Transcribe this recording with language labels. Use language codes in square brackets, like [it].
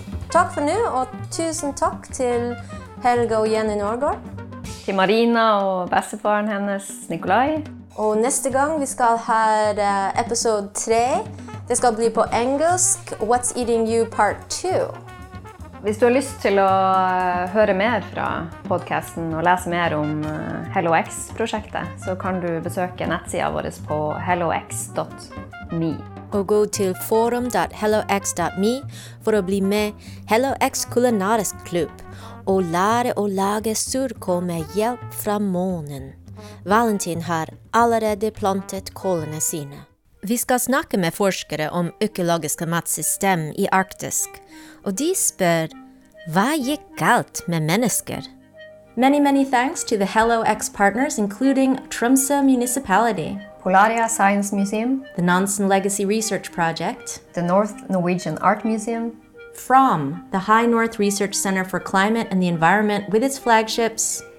[sv] Tack för nu och tusen tack till Helga och Jenny Norgård. Till Marina och bästefaren hennes, Nikolaj. Och nästa gång vi ska ha episode 3. Det ska bli på engelsk, What's Eating You Part 2. [no] Hvis du har lyst til å høre mer fra podcasten og lese mer om HelloX-prosjektet, så kan du besøke nettsiden vår på hellox.me. Og gå til forum.hellox.me for å bli med HelloX Kulinarisk Klubb og lære å lage surkål med hjelp fra månen. Valentin har allerede plantet kålene sine. [sv] Vi ska snacka med forskare om ekologiska matsystem i Arktis. Och de spör, vad gick galt med människor? [en] Many, many thanks to the HelloX partners, including Tromsø Municipality, Polaria Science Museum, the Nansen Legacy Research Project, the North Norwegian Art Museum, From, the High North Research Center for Climate and the Environment with its flagships,